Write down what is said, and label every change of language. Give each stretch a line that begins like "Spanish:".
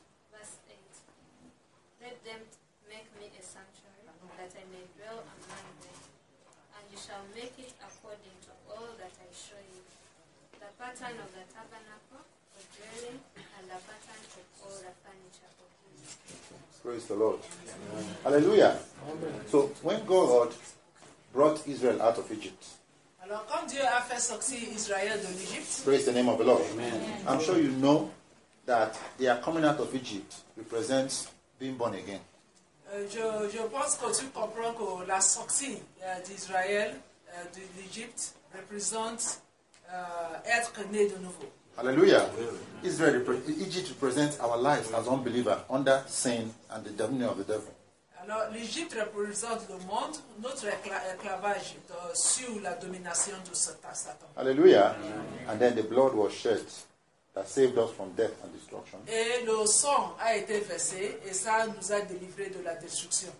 English: Verse 8. Let them make me a sanctuary that I may dwell among them, and you shall make it according to all that I show you. The pattern of the tabernacle for dwelling, and the pattern of all the furniture of it. Praise the Lord. Amen. Hallelujah. Amen. So when God brought Israel out of Egypt.
French: Alors quand Dieu a fait sortir Israël de l'Égypte.
English: Praise the name of the Lord. Amen. I'm sure you know that their coming out of Egypt represents being born again.
French: Je pense que tu comprends que la sortie d'Israël de l'Égypte représente être né de nouveau. Alléluia.
English: Israël, Egypt represents our lives as unbelievers under sin and the dominion of the devil.
French: Alors l'Égypte représente le monde, notre esclavage sous la domination de Satan. Alléluia.
English: And then the blood was shed that saved us from death and destruction.
French: Et le sang a été versé et ça nous a délivré de la destruction.